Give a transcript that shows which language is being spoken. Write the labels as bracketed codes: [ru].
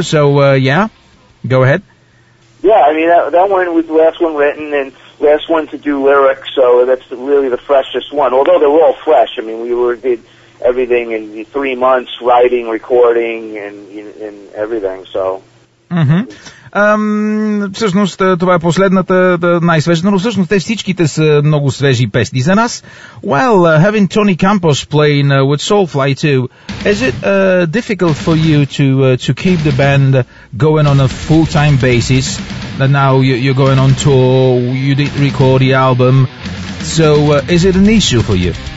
[en] So yeah, go ahead. Yeah, I mean that one was the last one written and last one to do lyrics. So that's really the freshest one. Although they're all fresh. I mean, we did everything in 3 months, writing, recording, and everything, so... Mm-hmm. [bg] Всъщност това е последната, най-свежата, но всъщност те всичките са много свежи песни за нас. [en] Well, having Tony Campos playing with Soulfly too, is it difficult for you to keep the band going on a full-time basis? That now you're going on tour, you did record the album, so is it an issue for you?